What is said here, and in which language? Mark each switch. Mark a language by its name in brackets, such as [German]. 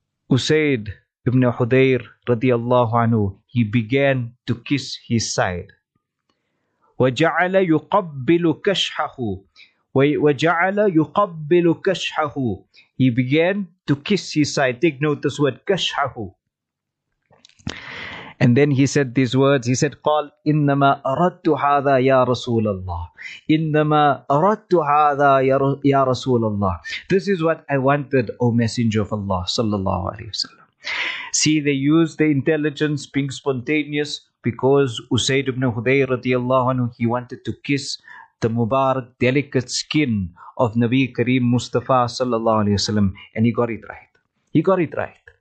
[English] Usayd ibn Hudayr radiallahu anhu, he began to kiss his side. [Arabic] وَجَعَلَ يُقَبِّلُ كَشْحَهُ. وَجَعَلَ يُقَبِّلُ كَشْحَهُ. [English] He began to kiss his side. Take note this word, كَشْحَهُ. And then he said these words. He said, [Arabic] قَالْ إِنَّمَا أَرَدْتُ هَذَا يَا رَسُولَ اللَّهِ. إِنَّمَا أَرَدْتُ هَذَا يَا رَسُولَ اللَّهِ. [English] This is what I wanted, O Messenger of Allah, sallallahu alayhi wa sallam. See, they use the intelligence, being spontaneous, because Usayd ibn Hudayr radiallahu anhu, he wanted to kiss the Mubarak, delicate skin of Nabi Kareem Mustafa sallallahu alayhi wa sallam, and he got it right. He got it right.